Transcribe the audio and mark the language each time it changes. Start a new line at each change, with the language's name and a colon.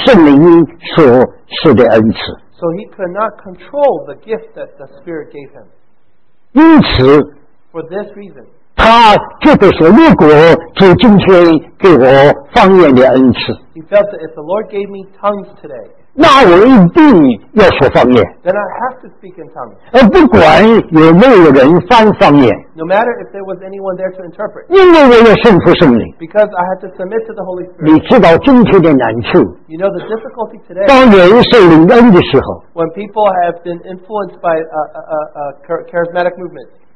Chinese: 那他就不能管理圣灵所赐的恩赐,
English: so he could not control the gift that the Spirit gave him.
Chinese: 因此,
English: for this reason,
Chinese: 他觉得说如果主今天给我方言的恩赐,
English: he felt that if the Lord gave me tongues today,
Chinese: 那我一定要说方言,
English: then I have to speak in tongues.
Chinese: 而不管有没有人翻方言,
English: no matter if there was anyone there to interpret,
Chinese: 因为我要顺服圣灵,
English: because I had to submit to the Holy Spirit.
Chinese: 你知道今天的难处,
English: you know the difficulty today,
Chinese: 当有人受灵恩的时候,
English: when people have been influenced by charismatic movements,